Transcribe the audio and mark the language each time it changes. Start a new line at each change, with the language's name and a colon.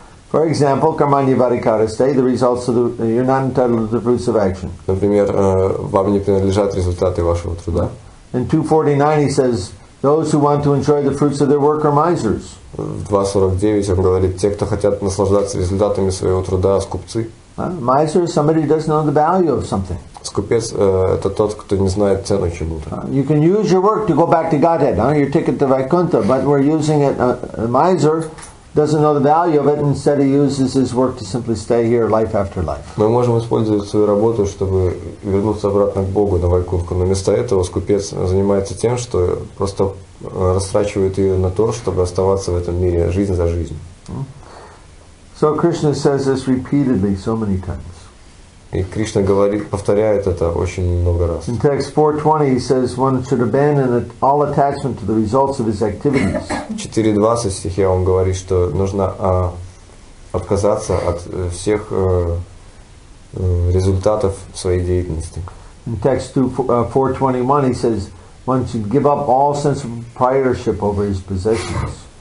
English: For example, Karmanya Varikaraste, the results of the you're not entitled to the fruits of action.
Russian: Например, вам не принадлежат результаты вашего труда.
English: In 249 he says, those who want to enjoy the fruits of their work are misers.
Russian: В 249 он говорит, те, кто хотят наслаждаться результатами своего труда, скупцы.
English: Miser is somebody who doesn't know the value of something.
Russian: Скупец это тот, кто не знает цену чего-то.
English: You can use your work to go back to Godhead, your ticket to Vaikuntha, but we're using it. A miser doesn't know the value of it. Instead, he uses his work to simply stay here, life after life.
Russian: Мы можем использовать свою работу, чтобы вернуться обратно к Богу на Вайкунху, но вместо этого скупец занимается тем, что просто растрачивает ее на то, чтобы оставаться в этом мире жизнь за жизнь.
English: So Krishna says this repeatedly so many times.
Russian: И Кришна говорит, повторяет это очень много раз.
English: In text 4:20 he says one should abandon all attachment to the results of his activities.
Russian: 4:20 стихе он говорит, что нужно отказаться от всех результатов своей деятельности.
English: In text 4:21 he says one should give up all sense of proprietorship over his possessions.